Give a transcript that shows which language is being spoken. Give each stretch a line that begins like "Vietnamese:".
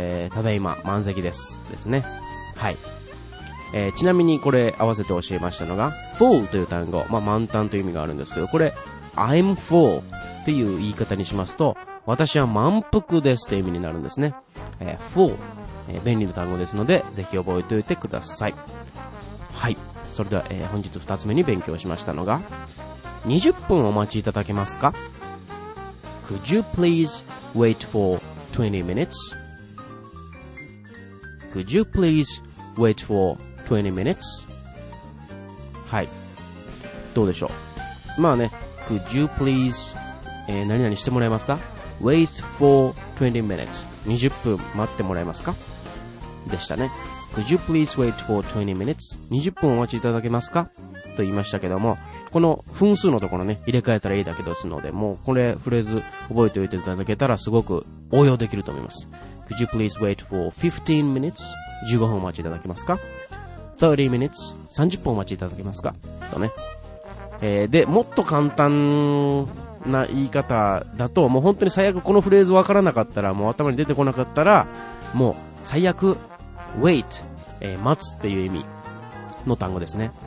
Japanese: ただいま満席ですですね。はい、ちなみにこれ合わせて教えましたのが full という単語、まあ、満タンという意味があるんですけど、これ
English: I'm full
Japanese: っていう言い方にしますと私は満腹ですという意味になるんですね。 full、便利な単語ですのでぜひ覚えておいてください。はい、それでは、本日2つ目に勉強しましたのが20分お待ちいただけますか。
English: Could you please wait for 20 minutes? Could you please wait for 20 minutes?
Japanese: はい、どうでしょう。まあね、
English: Could you please、
Japanese: 何々してもらえますか。
English: Wait for 20 minutes。
Japanese: 20分待ってもらえますか。でしたね。
English: Could you please wait for 20 minutes?
Japanese: 20分お待ちいただけますかと言いましたけども、この分数のところね入れ替えたらいいだけですので、もうこれフレーズ覚えておいていただけたらすごく応用できると思います。
English: Could you please wait for 15 minutes?
Japanese: 15分お待ちいただけますか。
English: 30 minutes?
Japanese: 30分お待ちいただけますかとね、でもっと簡単な言い方だと、もう本当に最悪このフレーズわからなかったら、もう頭に出てこなかったら、もう最悪 wait、待つっていう意味の単語ですね。